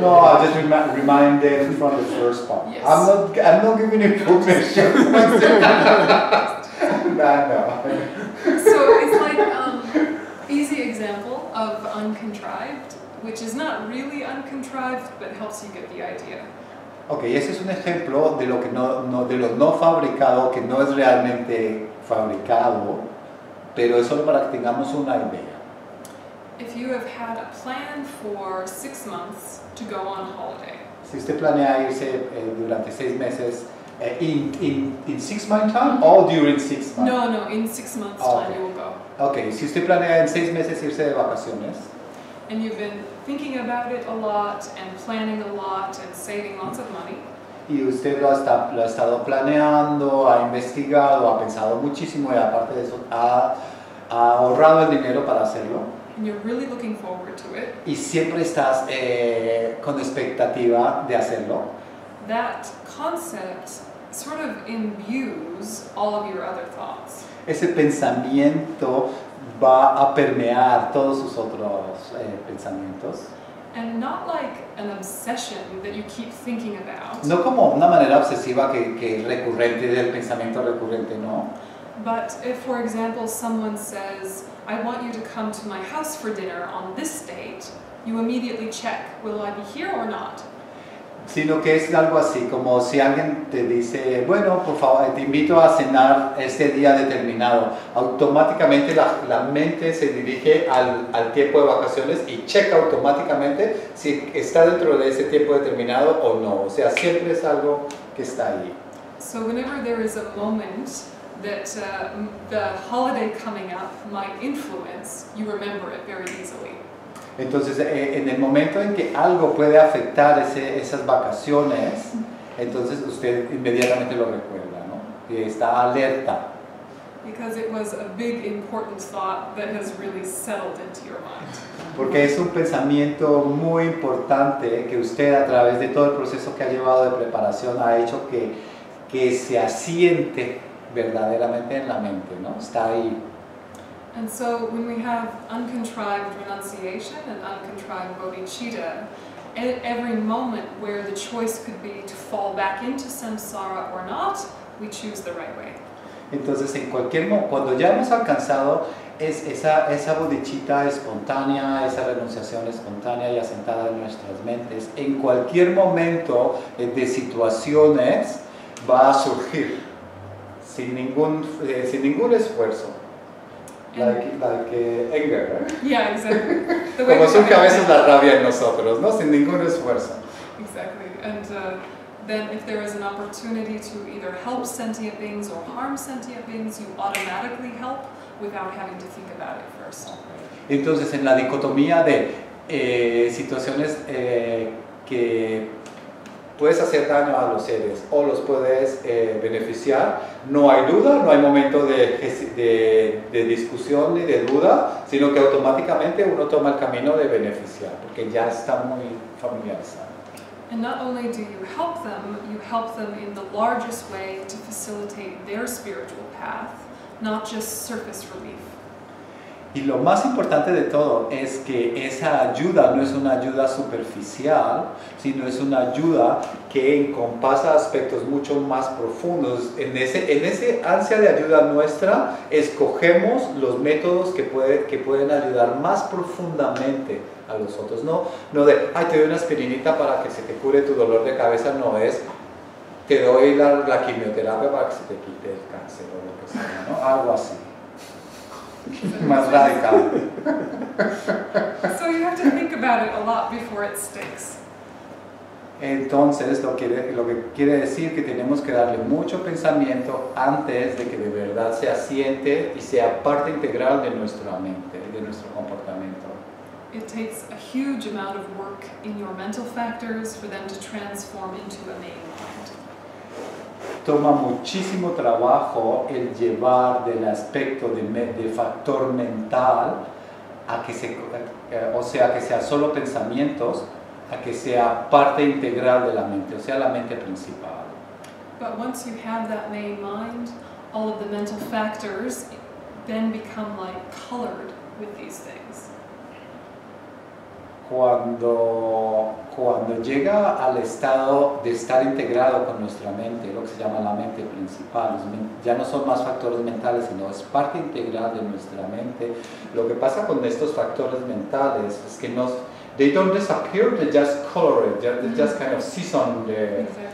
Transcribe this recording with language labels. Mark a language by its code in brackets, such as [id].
[en] No, I just remind them from the first part. Yes. I'm not giving you permission. No. So it's like easy example of uncontrived, which is not really uncontrived, but helps you get the idea. [es] Okay, ese es un ejemplo de lo que no de lo no fabricado que no es realmente fabricado. Pero es solo para que tengamos una idea. [en] If you have had a plan for 6 months to go on holiday. [es] Si usted planea irse durante 6 meses, [en] in 6 months time or during 6 months? No, in 6 months time you will go. [es] Okay, si usted planea en 6 meses irse de vacaciones. [en] And you've been thinking about it a lot and planning a lot and saving lots of money. [es] Y usted lo ha estado planeando, ha investigado, ha pensado muchísimo y aparte de eso ha ahorrado el dinero para hacerlo. [en] And you're really looking forward to it. [es] Y siempre estás con expectativa de hacerlo. [en] That concept sort of imbues all of your other thoughts. [es] Ese pensamiento va a permear todos sus otros pensamientos. [en] And not like an obsession that you keep thinking about. [es] No como una manera obsesiva que es recurrente del pensamiento recurrente, no. [en] But if, for example, someone says, "I want you to come to my house for dinner on this date," you immediately check, "Will I be here or not?" [es] Sino que es algo así como si alguien te dice, "Bueno, por favor, te invito a cenar este día determinado." Automáticamente la mente se dirige al tiempo de vacaciones y checa automáticamente si está dentro de ese tiempo determinado o no. O sea, siempre es algo que está ahí. [en] So whenever there is a moment that the holiday coming up might influence, you remember it very easily. [es] Entonces, en el momento en que algo puede afectar esas vacaciones, entonces usted inmediatamente lo recuerda, ¿no? Y está alerta. [en] Because it was a big, important thought that has really settled into your mind. [es] Porque es un pensamiento muy importante que usted, a través de todo el proceso que ha llevado de preparación, ha hecho que se asiente verdaderamente en la mente, ¿no? Está ahí. [en] And so when we have uncontrived renunciation and uncontrived bodhicitta, every moment where the choice could be to fall back into samsara or not, we choose the right way. [es] Entonces, en cualquier momento, cuando ya hemos alcanzado esa bodhicitta espontánea, esa renunciación espontánea y asentada en nuestras mentes, en cualquier momento de situaciones va a surgir sin ningún esfuerzo. [en] Like anger, right? Yeah, exactly. [es] Como surge a veces la rabia en nosotros, ¿no? Sin ningún esfuerzo. [en] Exactly. And then if there is an opportunity to either help sentient beings or harm sentient beings, you automatically help without having to think about it first. [es] Entonces, en la dicotomía de situaciones que puedes hacer daño a los seres o los puedes beneficiar, no hay duda, no hay momento de discusión ni de duda, sino que automáticamente uno toma el camino de beneficiar, porque ya está muy familiarizado. [en] And not only do you help them in the largest way to facilitate their spiritual path, not just surface relief. [es] Y lo más importante de todo es que esa ayuda no es una ayuda superficial, sino es una ayuda que encompasa aspectos mucho más profundos. En ese ansia de ayuda nuestra, escogemos los métodos que pueden ayudar más profundamente a los otros. No, no de, ay, te doy una aspirinita para que se te cure tu dolor de cabeza. No, es, te doy la quimioterapia para que se te quite el cáncer o lo que sea, ¿no? Algo así. Más radical. [en] So you have to think about it a lot before it sticks. [es] Entonces, lo que quiere decir que tenemos que darle mucho pensamiento antes de que de verdad se asiente y sea parte integral de nuestra mente, de nuestro comportamiento. [en] It takes a huge amount of work in your mental factors for them to transform into a main mind. [es] Toma muchísimo trabajo el llevar del aspecto de factor mental a que sea solo pensamientos a que sea parte integral de la mente, o sea, la mente principal. [en] But once you have that main mind, all of the mental factors then become like colored with these things. [es] Cuando llega al estado de estar integrado con nuestra mente, lo que se llama la mente principal, ya no son más factores mentales, sino es parte integral de nuestra mente. Lo que pasa con estos factores mentales es que no, [en] they don't disappear, they just color it, they just kind of season the...